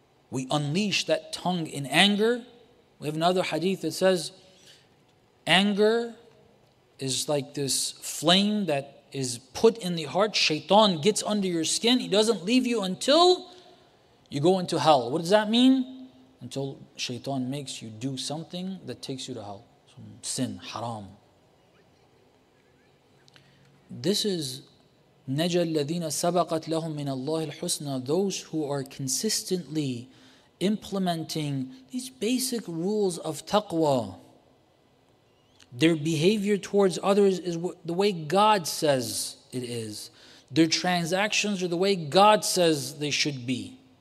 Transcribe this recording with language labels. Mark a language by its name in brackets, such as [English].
[English] We unleash that tongue in anger. We have another hadith that says, anger is like this flame that is put in the heart. Shaitan gets under your skin. He doesn't leave you until you go into hell. What does that mean? Until shaitan makes you do something that takes you to hell. Some sin, haram. This is [Arabic] نَجَى الَّذِينَ سَبَقَتْ لَهُمْ مِنَ اللَّهِ الْحُسْنَى. [English] Those who are consistently implementing these basic rules of taqwa. Their behavior towards others is the way God says it is. Their transactions are the way God says they should be.